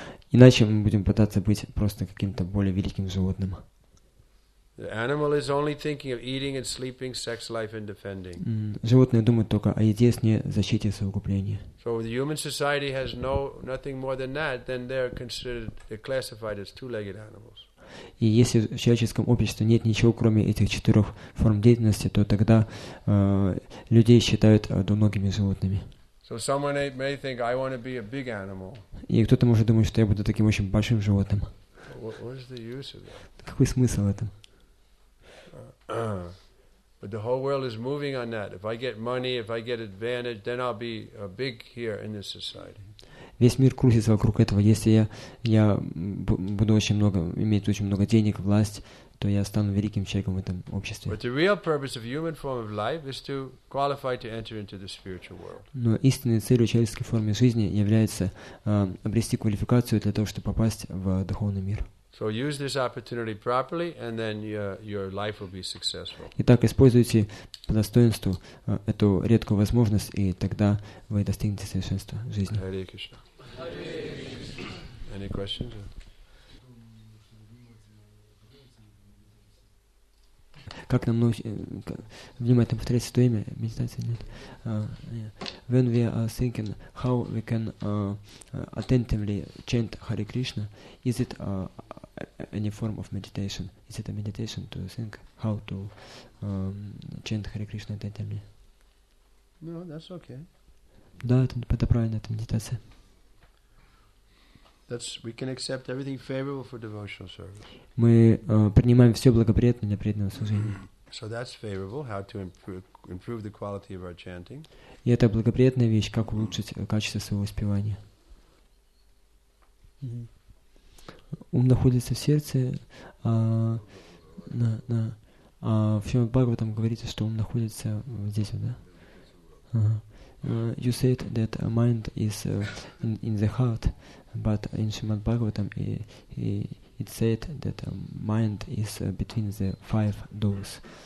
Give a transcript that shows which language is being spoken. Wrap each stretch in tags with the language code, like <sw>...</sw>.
<ru>Иначе мы будем пытаться быть просто каким-то более великим животным.</ru> <en>The animal is only thinking of eating and sleeping, sex life and defending.</en> <ru>Животные думают только о еде, сне, защите, совокуплении.</ru> <en>So the human society has nothing more than that, then they're classified as two-legged animals.</en> <ru>И если в человеческом обществе нет ничего, кроме этих четырех форм деятельности, то тогда людей считают двуногими животными.</ru> <en>So someone may think I want to be a big animal.</en> <ru>И кто-то может думать, что я буду таким очень большим животным.</ru> <en>What is the use of that?</en> <ru>Какой смысл в этом?</ru> <en>But the whole world is moving on that. If I get money, if I get advantage, then I'll be a big here in this society.</en> <ru>Весь мир крутится вокруг этого. Если я буду очень много иметь очень много денег, власть, то я стану великим человеком в этом обществе.</ru> <en>But the real purpose of human form of life is to qualify to enter into the spiritual world.</en> <ru>Но истинной целью человеческой формы жизни является обрести квалификацию для того, чтобы попасть в духовный мир.</ru> <en>So use this opportunity properly, and then your life will be successful.</en> <ru>Итак, используйте по достоинству эту редкую возможность, и тогда вы достигнете совершенства жизни.</ru> <en>Hare Krishna. Any questions?</en> <ru>Как нам внимательно повторять это имя? Медитации нет.</ru> <en>When we are thinking how we can attentively chant Hare Krishna, is it any form of meditation? Is it a meditation to think how to chant Hare Krishna attentively? No, that's okay.</en> <ru>Да, это правильно, это медитация.</ru> <en>That's we can accept everything favorable for devotional service.</en> <ru>Мы принимаем все благоприятное для преданного служения.</ru> <en>So that's favorable. How to improve the quality of our chanting?</en> <ru>И это благоприятная вещь, как улучшить качество своего спевания. Ум находится в сердце, в Шримад Бхагаватам говорится, что ум находится здесь, да?</ru> <en>You said that mind is in the heart, but in Шримад Бхагаватам it said that mind is between the five doors.</en>